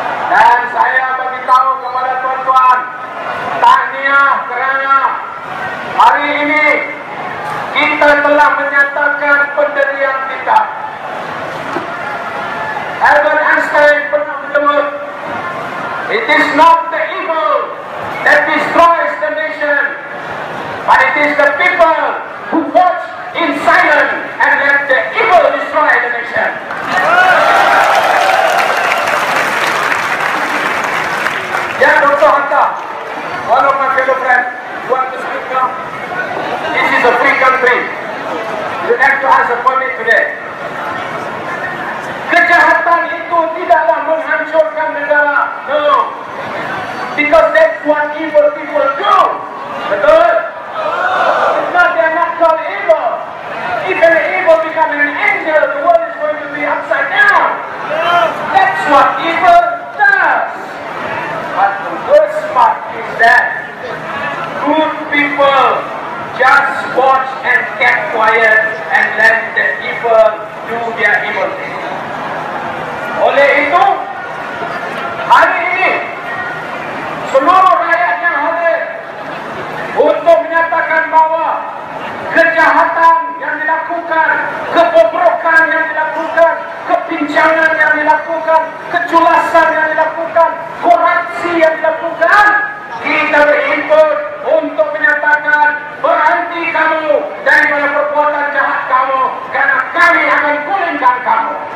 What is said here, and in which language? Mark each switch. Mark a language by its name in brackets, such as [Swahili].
[Malay] Dan saya bagi tahu kepada tuan-tuan, tahniah kerana hari ini kita telah menyatakan pendirian kita. Albert Einstein pernah menyebut, [English] "It is not the evil that destroys the nation, but it is the people who watch in silence and let the evil destroy the nation." Ya, Dr. Hatta, all of my fellow friends who want to speak now, this is a free country. You have to ask a permit today. [Malay] Kejahatan itu tidaklah menghancurkan negara. [English] No. Because that's what evil people do. [Malay] Betul? [English] If not, they are not called evil. If an evil becomes an angel, the world is going to be upside down. That's what evil does. But the worst part is that good people just watch and keep quiet and let the evil do their evil thing. [Malay] Oleh itu, hari ini seluruh rakyat yang hadir untuk menyatakan bahwa kejahatan yang dilakukan, kebobrokan yang dilakukan, kepincangan yang dilakukan, keculasan yang dilakukan, korupsi yang dilakukan, kita berhimpun untuk menyatakan berhenti kamu dari mana perbuatan jahat kamu, karena kami akan gulingkan kamu.